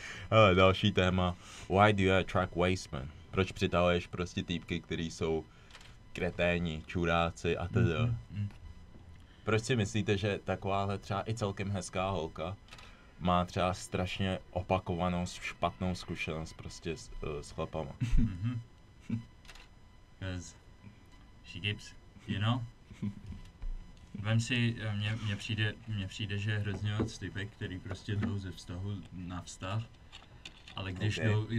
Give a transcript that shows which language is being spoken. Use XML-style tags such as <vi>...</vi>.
<cs>Ale další téma.</cs> <en>Why do you attract waste men?</en> <cs>Proč přitahuješ prostě týpky, který jsou kreténi, čuráci a tak dále? Proč si myslíte, že takováhle třeba i celkem hezká holka má třeba strašně opakovanou špatnou zkušenost prostě s chlapama?</cs> <en>Because she keeps, you know?</en> <cs>Vem si, mně přijde, že je hrozně moc typek, který prostě jdou ze vztahu na vztah, ale když, okay.</cs>